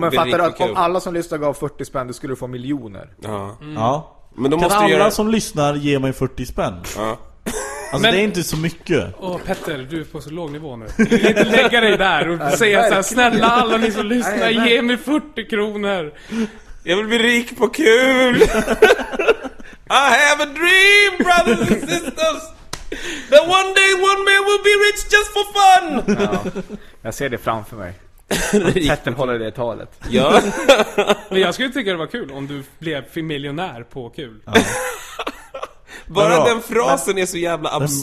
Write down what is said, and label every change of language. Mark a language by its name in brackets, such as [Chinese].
[Swedish] men fattar du att om alla som lyssnar gav 40 spänn, då skulle du få miljoner. Ja. Mm. Ja. Men då kan måste alla göra... som lyssnar ge mig 40 spänn? Ja. Alltså, men det är inte så mycket. Åh, Petter, du är på så låg nivå nu. Jag vill inte lägga dig där och säga så här, snälla alla ni som lyssnar, ge mig 40 kronor. Jag vill bli rik på kul. [English] I have a dream, brothers and sisters. That one day one man will be rich just for fun. [Swedish] Ja, jag ser det framför mig. Petter håller det talet. Ja. Men jag skulle tycka det var kul om du blev miljonär på kul. Ja. Bara ja, den frasen men, är så jävla absurd.